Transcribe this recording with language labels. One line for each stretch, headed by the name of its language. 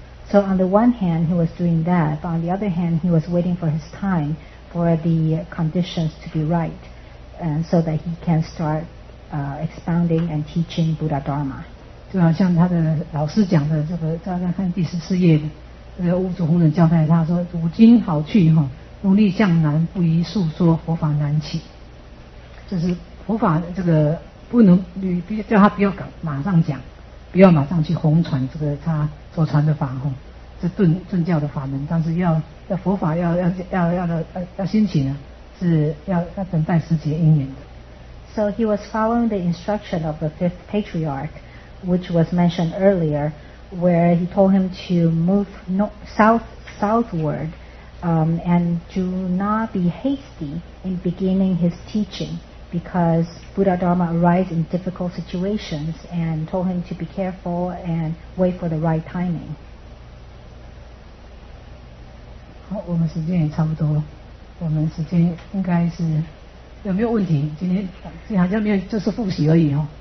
English: So on the one hand, he was doing that, but on the other hand, he was waiting for his time, for the conditions to be right, and so that he can start expounding and teaching Buddha Dharma.
Chinese: 就好像他的老师讲的这个，大家看第14页的这个五祖弘忍教派，他说：“如今好去哈，努力向南，不宜诉说佛法难起。” 就是佛法这个不能，你必须叫他不要马上讲，不要马上去弘传这个他所传的法哈，这顿教的法门。但是要佛法要兴起呢，是要等待时节因缘的。
English: So he was following the instruction of the fifth patriarch. Which was mentioned earlier, where he told him to move southward and do not be hasty in beginning his teaching, because Buddha Dharma arises in difficult situations, and told him to be careful and wait for the right timing.
Chinese: 好，我们时间也差不多了，我们时间应该是有没有问题？今天好像没有，就是复习而已哦。